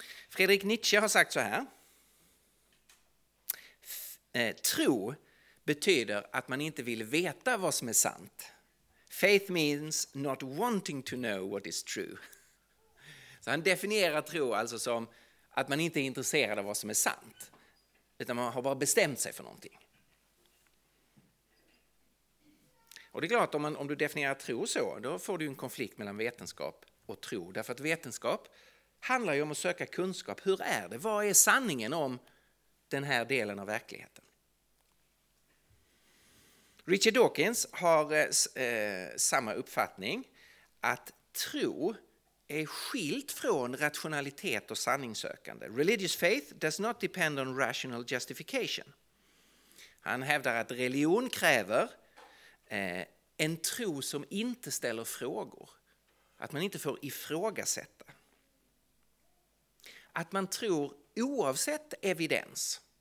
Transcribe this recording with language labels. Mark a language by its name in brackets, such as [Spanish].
[Swedish] Friedrich Nietzsche har sagt så här. Tro betyder att man inte vill veta vad som är sant. [English] Faith means not wanting to know what is true. [Swedish] Så han definierar tro alltså som att man inte är intresserad av vad som är sant. Utan man har bara bestämt sig för någonting. Och det är klart om du definierar tro så, då får du en konflikt mellan vetenskap och tro. Därför att vetenskap handlar ju om att söka kunskap. Hur är det? Vad är sanningen om den här delen av verkligheten? Richard Dawkins har samma uppfattning, att tro är skilt från rationalitet och sanningssökande. [English] Religious faith does not depend on rational justification. [Swedish] Han hävdar att religion kräver en tro som inte ställer frågor. Att man inte får ifrågasätta. Att man tror oavsett evidens.